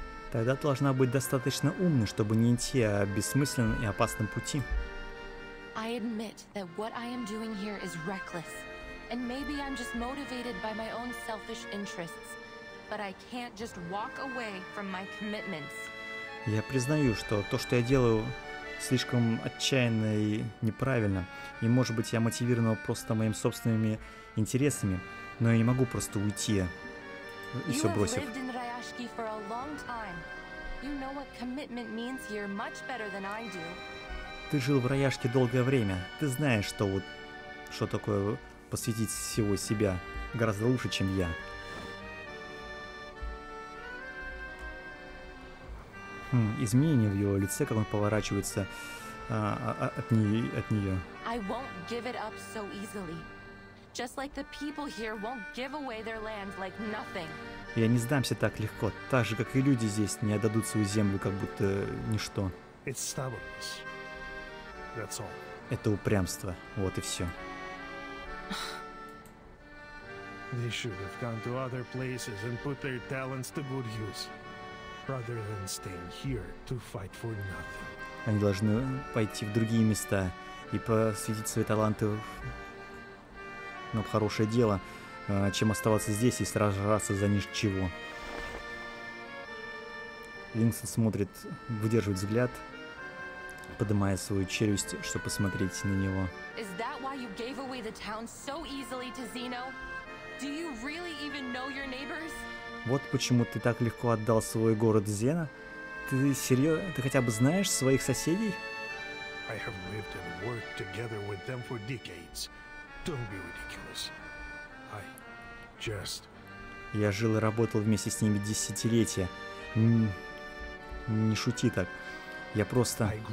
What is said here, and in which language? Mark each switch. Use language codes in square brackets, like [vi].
[ru] Тогда ты должна быть достаточно умной, чтобы не идти о бессмысленном и опасном пути. [en] I admit that what I am doing here is reckless, and maybe I'm just motivated by my own selfish interests, but I can't just walk away from my commitments. [ru] Я признаю, что то, что я делаю, слишком отчаянно и неправильно, и, может быть, я мотивирован просто моими собственными интересами, но я не могу просто уйти и все бросив. [en] You have lived in Rayashiki for a long time. You know what commitment means here much better than I do. [ru] Ты жил в Рояшке долгое время. Ты знаешь, что вот что такое посвятить всего себя гораздо лучше, чем я. Изменение в его лице, как он поворачивается от нее. [en] I won't give it up so easily. Just like the people here won't give away their land like nothing. [ru] Я не сдамся так легко, так же, как и люди здесь не отдадут свою землю, как будто ничто. [en] It's stubbornness. That's all. [ru] Это упрямство, вот и все. [en] They should have gone to other places and put their talents to good use, rather than staying here to fight for nothing. [ru] Они должны пойти в другие места и посвятить свои таланты на хорошее дело, чем оставаться здесь и сражаться за ничего. Линкс смотрит, выдерживает взгляд, поднимая свою челюсть, чтобы посмотреть на него. [en] Is that why you gave away the town so easily to Zeno? Do you really even know your neighbors? [ru] Вот почему ты так легко отдал свой город Зена? Ты серьезно? Ты хотя бы знаешь своих соседей? [en] I have lived and worked together with them for decades. Don't be ridiculous. I just... [ru] Я жил и работал вместе с ними десятилетия. Не шути так. Я просто...